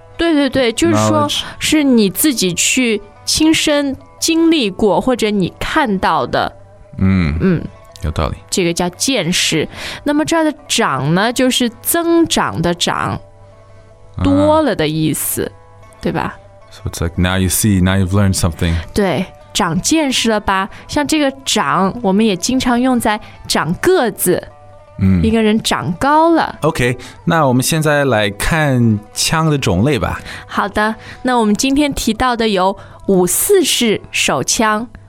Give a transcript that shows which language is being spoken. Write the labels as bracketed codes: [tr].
[zh] 对对对，就是说是你自己去亲身经历过或者你看到的。有道理。这个叫见识。那么这儿的长呢，就是增长的长。多了的意思，对吧？ [en] So it's like now you see, now you've learned something. [zh] 对，长见识了吧？像这个长，我们也经常用在长个子，一个人长高了。 OK， 那我们现在来看枪的种类吧。好的，那我们今天提到的有五四式手枪。